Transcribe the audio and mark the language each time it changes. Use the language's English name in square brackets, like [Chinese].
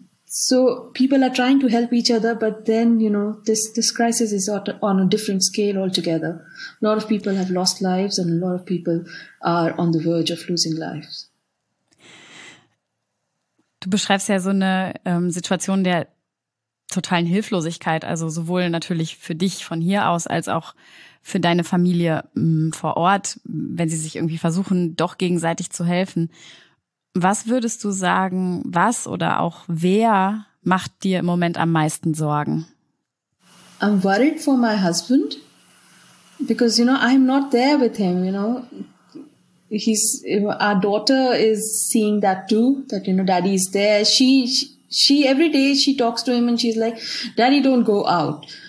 [English] So people are trying to help each other, but then, you know, this crisis is on a different scale altogether. A lot of people have lost lives and a lot of people are on the verge of losing lives. [German] Du beschreibst ja so eine Situation der totalen Hilflosigkeit, also sowohl natürlich für dich von hier aus als auch für deine Familie vor Ort, wenn sie sich irgendwie versuchen, doch gegenseitig zu helfen. Was würdest du sagen, was oder auch wer macht dir im Moment am meisten Sorgen? [English] I'm worried for my husband, because, you know, I'm not there with him, you know. Our daughter is seeing that too, that, you know, daddy is there. She every day she talks to him and she's like, daddy, don't go out.